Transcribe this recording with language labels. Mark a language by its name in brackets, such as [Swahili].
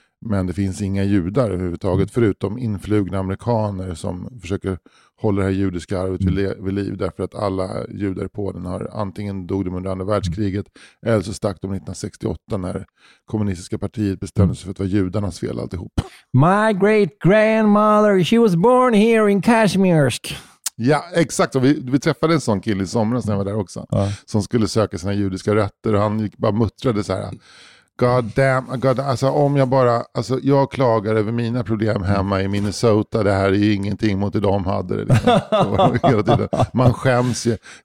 [Swedish] Men det finns inga judar överhuvudtaget förutom influgna amerikaner som försöker hålla det här judiska arvet vid liv, därför att alla judar på den har antingen dog de under andra världskriget eller så stack de 1968 när kommunistiska partiet bestämde sig för att vara judarnas fel alltihop. [English] My great grandmother, she was born here in Kazimierz. [Swedish] Ja, exakt. Vi träffade en sån kille i somras när jag var där också, som skulle söka sina judiska rötter, och han gick bara muttrade så här: [English] God damn, [Swedish] alltså om jag bara, alltså jag klagar över mina problem hemma i Minnesota, det här är ju ingenting mot det de hade det, liksom. Man skäms ju.